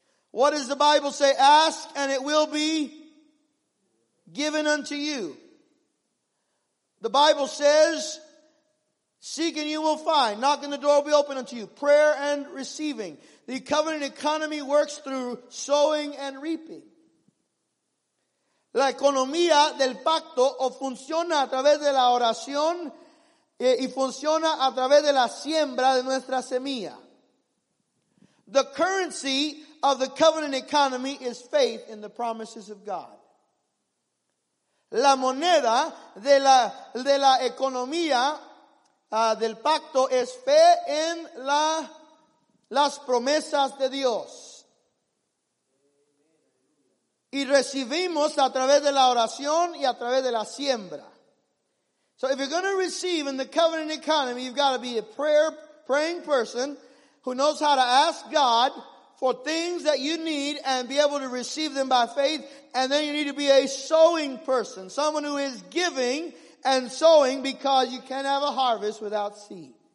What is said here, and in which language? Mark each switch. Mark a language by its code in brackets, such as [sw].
[en] What does the Bible say? Ask and it will be given unto you. The Bible says, seek and you will find. Knock and the door will be opened unto you. Prayer and receiving. The covenant economy works through sowing and reaping. [es] La economía del pacto o funciona a través de la oración y funciona a través de la siembra de nuestra semilla. [en] The currency of the covenant economy is faith in the promises of God. [es] La moneda de la economía del pacto es fe en las promesas de Dios. Y recibimos a través de la oración y a través de la siembra. [en] So if you're going to receive in the covenant economy, you've got to be a praying person who knows how to ask God for things that you need and be able to receive them by faith. And then you need to be a sowing person, someone who is giving and sowing, because you can't have a harvest without seed.